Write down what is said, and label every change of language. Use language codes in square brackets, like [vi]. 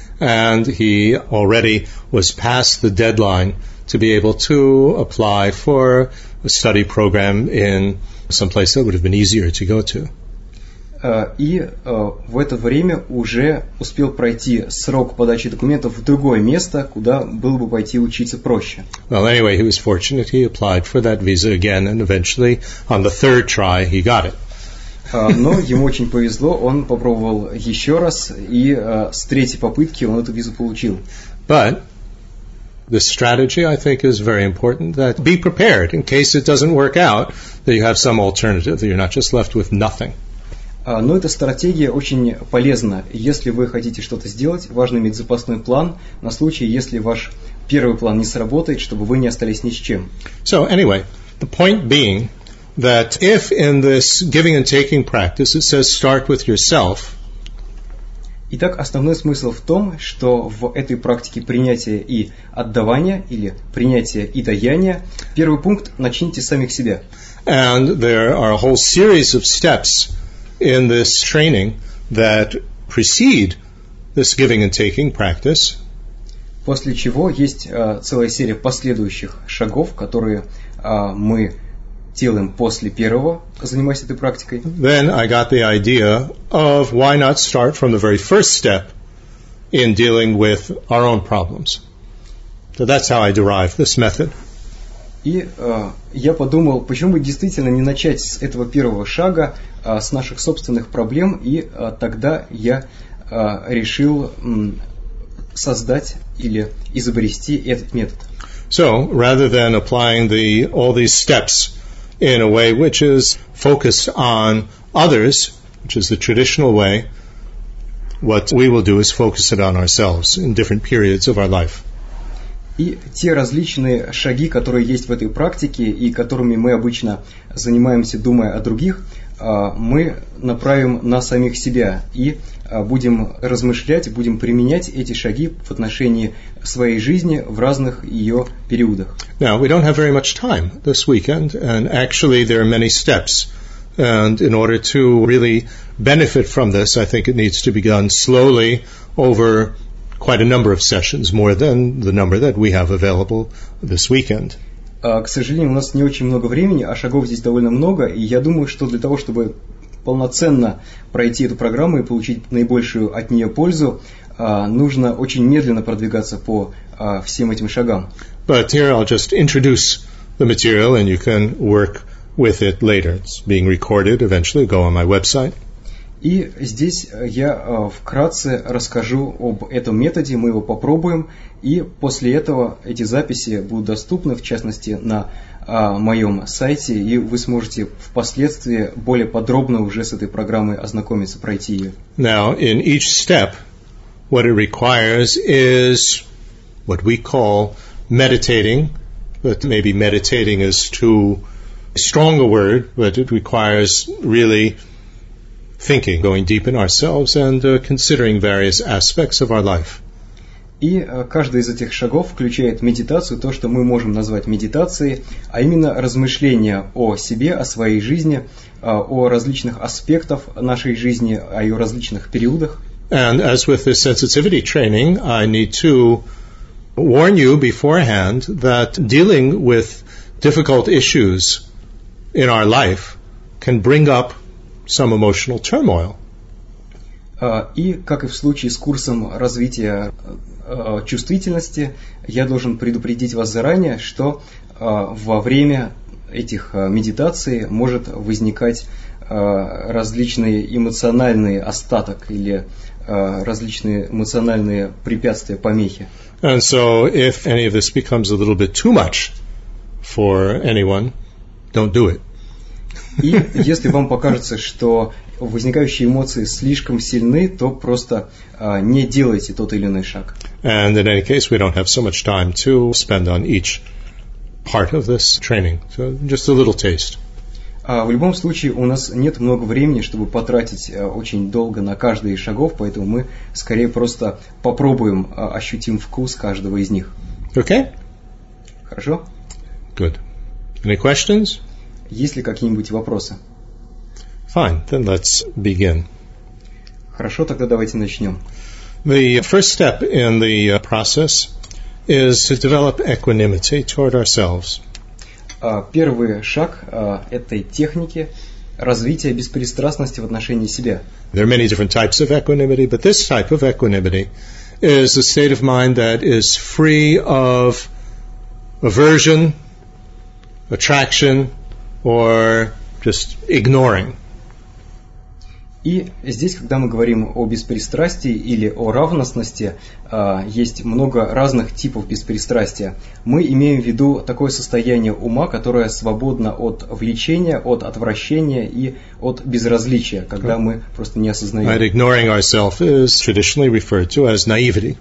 [en] And he already was past the deadline to be able to apply for a study program in some place that would have been easier to go to. [ru] И в это время уже успел пройти срок подачи документов в другое место, куда было бы пойти учиться проще. [en] Well, anyway, he was fortunate. He applied for that visa again, and eventually, on the third try, he got it. [ru] Но ему очень повезло, он попробовал еще раз, и с третьей попытки он эту визу получил. [en] But the strategy, I think, is very important, that be prepared in case it doesn't work out, that you have some alternative, that you're not just left with nothing. [ru] Но эта стратегия очень полезна. Если вы хотите что-то сделать, важно иметь запасной план на случай, если ваш первый план не сработает, чтобы вы не остались ни с чем. [en] So, anyway, the point being that if in this giving and taking practice it says start with yourself. [ru] Итак, основной смысл в том, что в этой практике принятия и отдавания или принятия и даяния, первый пункт начните с самих себя. [en] And there are a whole series of steps in this training that precede this giving and taking practice. [ru] После чего есть целая серия последующих шагов, которые мы делаем после первого, занимаясь этой практикой. [en] Then I got the idea of why not start from the very first step in dealing with our own problems. So that's how I derived this method. [ru] И я подумал, почему бы действительно не начать с этого первого шага, с наших собственных проблем, и тогда я решил создать или изобрести этот метод. [en] So, rather than applying all these steps in a way which is focused on others, which is the traditional way, what we will do is focus it on ourselves in different periods of our life. [ru] И те различные шаги, которые есть в этой практике, и которыми мы обычно занимаемся, думая о других, мы направим на самих себя и будем размышлять, будем применять эти шаги в отношении своей жизни в разных ее периодах. [en] Now, we don't have very much time this weekend, and actually there are many steps And in order to really benefit from this, I think it needs to be done slowly over quite a number of sessions, more than the number that we have available this weekend. [ru] К сожалению, у нас не очень много времени, а шагов здесь довольно много, и я думаю, что для того, чтобы полноценно пройти эту программу и получить наибольшую от нее пользу, нужно очень медленно продвигаться по всем этим шагам. [en] But here I'll just introduce the material, and you can work with it later. It's being recorded eventually. Go on my website. [ru] И здесь я вкратце расскажу об этом методе, мы его попробуем, и после этого эти записи будут доступны, в частности, на моем сайте, и вы сможете впоследствии более подробно уже с этой программой ознакомиться, пройти ее. [en] Now, in each step, what it requires is what we call meditating, but maybe meditating is too strong a word, but it requires really thinking, going deep in ourselves and considering various aspects of our life. [ru] И каждый из этих шагов включает медитацию, то, что мы можем назвать медитацией, а именно размышления о себе, о своей жизни, о различных аспектах нашей жизни, о ее различных периодах. [en] And as with this sensitivity training, I need to warn you beforehand that dealing with difficult issues in our life can bring up some emotional turmoil. [ru] И как и в случае с курсом развития чувствительности, я должен предупредить вас заранее, что во время этих медитаций может возникать различный эмоциональный остаток или различные эмоциональные препятствия, помехи. [en] And so if any of this becomes a little bit too much for anyone, don't do it. [ru] И если вам покажется, что возникающие эмоции слишком сильны, то просто не делайте тот или иной шаг. [en] And in any case, we don't have so much time to spend on each part of this training. So just a little taste. [ru] В любом случае, у нас нет много времени, чтобы потратить очень долго на каждый из шагов, поэтому мы скорее просто попробуем, ощутим вкус каждого из них. [en] Okay? [ru] Хорошо? [en] Good. Any questions? [ru] Есть ли какие-нибудь вопросы? [en] Fine, then let's begin. [ru] Хорошо, тогда давайте начнем. [en] The first step in the process is to develop equanimity toward ourselves. [ru] Первый шаг этой техники – развитие беспристрастности в отношении себя. [en] There are many different types of equanimity, but this type of equanimity is a state of mind that is free of aversion, attraction, or just ignoring. [ru] И здесь, когда мы говорим о беспристрастии или о равностности, есть много разных типов беспристрастия. Мы имеем в виду такое состояние ума, которое свободно от влечения, от отвращения и от безразличия, когда мы просто не осознаем. [en] And ignoring ourselves is traditionally referred to as naivety.